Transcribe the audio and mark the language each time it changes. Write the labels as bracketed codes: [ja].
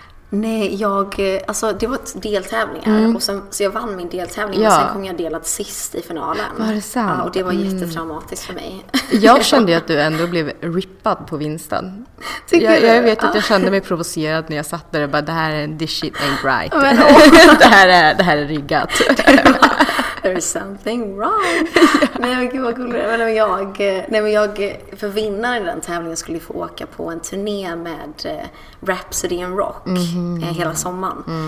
[sv] Nej, jag, alltså det var deltävlingar och sen, så jag vann min deltävling och sen kom jag delad sist i finalen. Var det sant? Ja, och det var jättetraumatiskt för mig. Jag kände att du ändå blev rippad på vinsten. Jag vet att jag kände mig provocerad när jag satt där och bara, det här är [en] this shit ain't right. [sv] Men, det här är riggat. [en] There is something wrong. [sv] Nej, men gud vad coolt. Men jag för vinnaren i den tävlingen skulle få åka på en turné med Rhapsody in Rock hela sommaren.